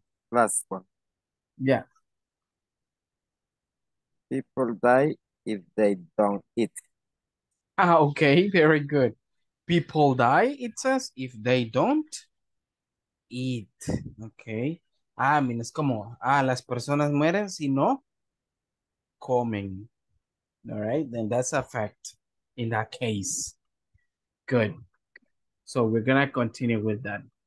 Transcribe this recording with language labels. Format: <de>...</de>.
<en>Last one. Yeah. People die if they don't eat. Ah, okay, very good. People die, it says, if they don't eat. Okay.</en> <es>Ah,</es> <en>I mean,</en> <es>es como, ah, las personas mueren si no comen.</es> <en>All right, then that's a fact in that case. Good. So we're going to continue with that.</en>